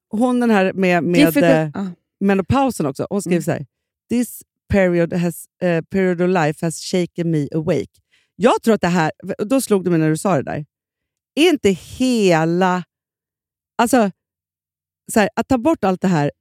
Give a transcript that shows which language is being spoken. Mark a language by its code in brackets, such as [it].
[sv] Hon den här menopausen också. Hon skriver så här. [en] This period of life has shaken me awake. [sv] Jag tror att det här. Då slog du mig när du sa det där. Inte hela. Alltså. Så här, att ta bort allt det här.